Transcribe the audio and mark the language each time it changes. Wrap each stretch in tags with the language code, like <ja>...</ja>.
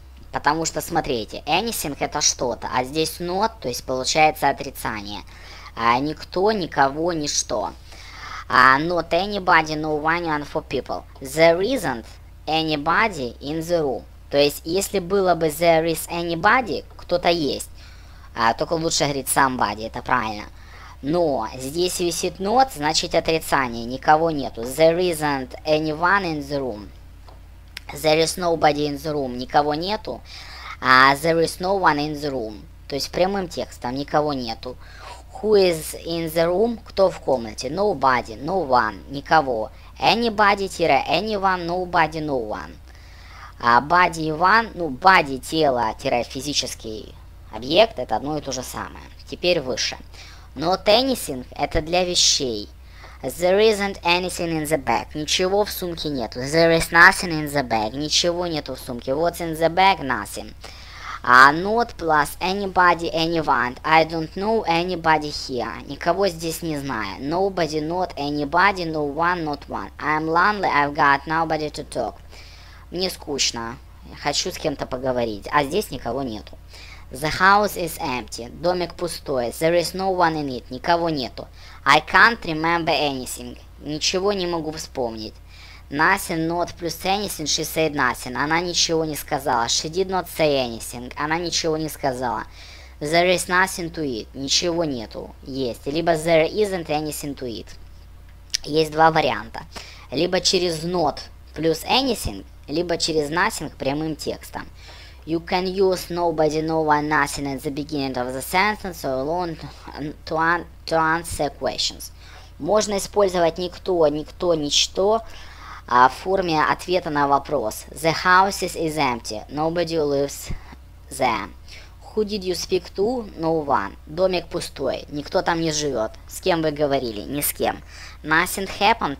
<ru>Потому что, смотрите, anything это что-то, а здесь not, то есть получается отрицание. Никто, никого, ничто.</ru> <en>Not anybody, no one, and for people. There isn't anybody in the room.</en> <ru>То есть, если было бы</ru> <en>there is anybody,</en> <ru>кто-то есть, только лучше говорить somebody, это правильно. Но здесь висит not, значит отрицание, никого нету.</ru> <en>There isn't anyone in the room. There is nobody in the room,</en> <ru>никого нету.</ru> <en>There is no one in the room.</en> <ru>То есть прямым текстом, никого нету.</ru> <en>Who is in the room?</en> <ru>Кто в комнате?</ru> <en>Nobody, no one, никого. Anybody-anyone, nobody-no one.</en> <ru>Body-one, ну, body-тело-физический объект, это одно и то же самое. Теперь выше.</ru> <en>Not anything</en> <ru>– это для вещей.</ru> <en>There isn't anything in the bag.</en> <ru>Ничего в сумке нету.</ru> <en>There is nothing in the bag.</en> <ru>Ничего нету в сумке.</ru> <en>What's in the bag? Nothing. Not plus anybody, anyone. I don't know anybody here.</en> <ru>Никого здесь не знаю.</ru> <en>Nobody, not anybody, no one, not one. I'm lonely, I've got nobody to talk.</en> <ru>Мне скучно. Я хочу с кем-то поговорить. А здесь никого нету.</ru> <en>The house is empty.</en> <ru>Домик пустой.</ru> <en>There is no one in it.</en> <ru>Никого нету.</ru> <en>I can't remember anything.</en> <ru>Ничего не могу вспомнить.</ru> <en>Nothing, not plus anything, she said nothing.</en> <ru>Она ничего не сказала.</ru> <en>She did not say anything.</en> <ru>Она ничего не сказала.</ru> <en>There is nothing to eat.</en> <ru>Ничего нету. Есть.</ru> <en>Либо there isn't anything to eat.</en> <ru>Есть два варианта. Либо через</ru> <en>not plus anything,</en> <ru>либо через nothing прямым текстом.</ru> <en>You can use nobody, no one, nothing at the beginning of the sentence or alone to answer questions.</en> <ru>Можно использовать никто, никто, ничто в форме ответа на вопрос.</ru> <en>The house is empty. Nobody lives there. Who did you speak to? No one.</en> <ru>Домик пустой. Никто там не живет. С кем вы говорили? Ни с кем.</ru> <en>Nothing happened.</en>